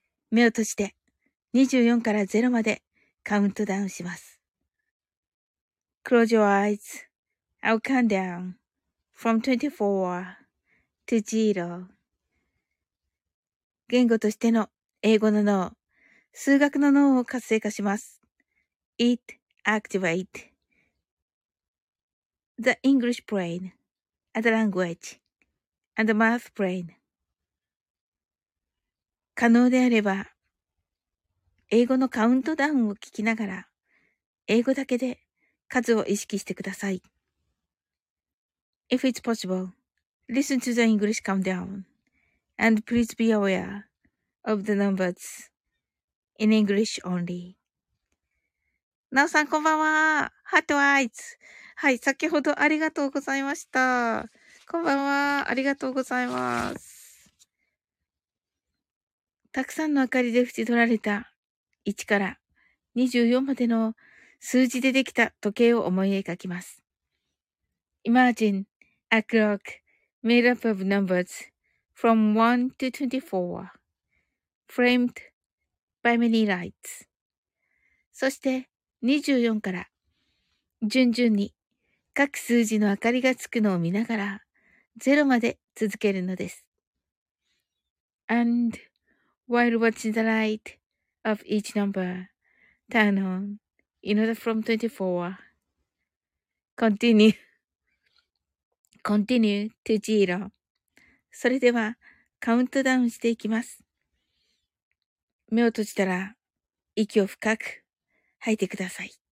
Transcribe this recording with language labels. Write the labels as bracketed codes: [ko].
[ja] 目を閉じて24から0までカウントダウンします。 [en] Close your eyes. I'll count down. From 24 to 0. [ja] 言語としての英語の脳、数学の脳を活性化します。 [en] It activates the English brain and the language and the math brain. [ja] 可能であれば、英語のカウントダウンを聞きながら、英語だけで数を意識してください。 [en] If it's possible, listen to the English countdown and please be aware of the numbers in English only. [ja] なおさん、こんばんは。ハートアイズ。はい、先ほどありがとうございました。こんばんは。ありがとうございます。たくさんの明かりで縁取られた1から24までの数字でできた時計を思い描きます。 [en] Imagine. A clock made up of numbers from 1 to 24, framed by many lights. [ja] そして24から順々に各数字の明かりがつくのを見ながら0まで続けるのです。 [en] And while watching the light of each number turn on in order from 24, continue. Continue to zero. [ja] それでは、カウントダウンしていきます。目を閉じたら、息を深く吐いてください。